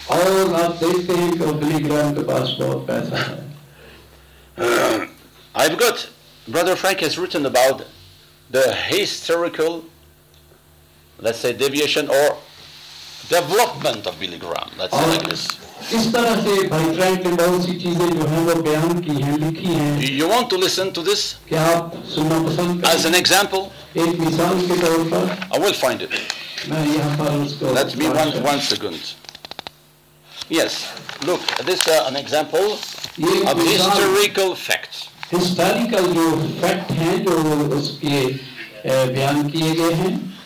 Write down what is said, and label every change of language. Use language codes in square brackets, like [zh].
[hi] और आप देखते हैं कि Billy Graham के पास बहुत पैसा है. [en] I've got, Brother Frank has written about the historical, let's say, deviation or development of Billy Graham. That's it like this. [hi] इस तरह से भाई फ्रैंकलिन बहुत सी चीजें जो हैं वो बयान की हैं लिखी हैं। [en] You want to listen to this? [hi] क्या आप सुनना पसंद करेंगे? [en] As an example. [hi] एक मिसाल के तौर पर। [en] I will find it. [hi] मैं यहाँ पर उसको। [en] Let me one second. Yes. Look, this is an example of historical facts. [hi] Historical जो फैक्ट हैं जो उसके बयान किए गए हैं।